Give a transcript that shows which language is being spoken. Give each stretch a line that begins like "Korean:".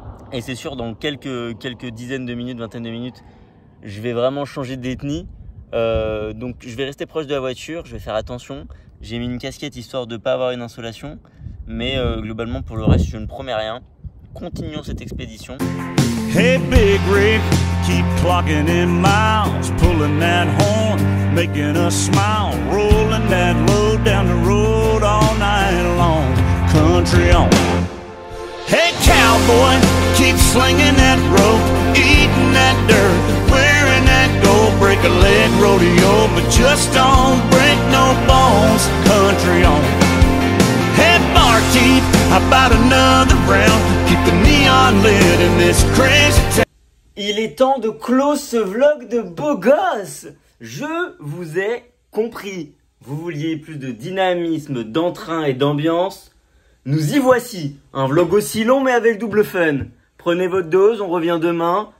French: Et c'est sûr dans quelques dizaines de minutes, vingtaine de minutes, je vais vraiment changer d'ethnie. Donc je vais rester proche de la voiture, je vais faire attention. J'ai mis une casquette histoire de pas avoir une insolation. Mais globalement pour le reste je ne promets rien. Continuons cette expédition.
English: Hey Big Rick, keep clocking in miles, pulling that horn, making a smile, rolling that load down the road all night long, country on. Hey cowboy, keep slinging that rope, eating that dirt, wearing that gold, break a leg rodeo, but just don't break no bones, country on. Hey barkeep, how about another round, keep the neon lit in this crazy town.
French: Il est temps de close ce vlog de beau gosse. Je vous ai compris. Vous vouliez plus de dynamisme, d'entrain et d'ambiance. Nous y voici. Un vlog aussi long mais avec double fun. Prenez votre dose, on revient demain.